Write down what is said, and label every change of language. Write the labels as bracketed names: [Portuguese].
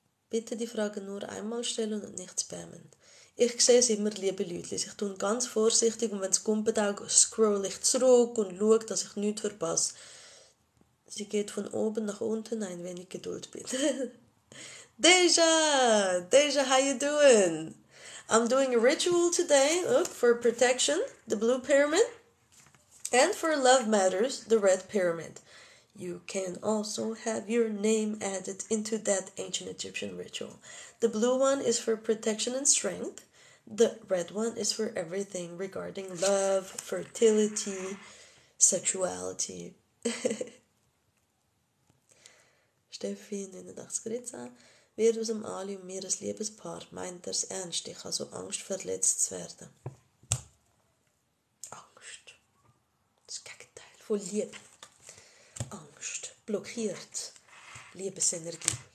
[German] Bitte die Frage nur einmal stellen und nicht spammen. Ich sehe es immer, liebe Leute. Ich tue ganz vorsichtig und wenn es kommt, scroll ich zurück und schaue, dass ich nichts verpasse. Sie geht von oben nach unten, ein wenig Geduld bitte. [English] Deja! Deja, how you doing? I'm doing a ritual today, look, for protection, the blue pyramid. And for love matters, the red pyramid. You can also have your name added into that ancient Egyptian ritual. The blue one is for protection and strength. The red one is for everything regarding love, fertility, sexuality. [German] Steffi, 89 Gritza. Wir aus dem Ali und mir als Liebespaar meint das ernst. Ich habe so Angst, verletzt zu werden. Angst. Das Gegenteil von Liebe. Blockiert Liebesenergie.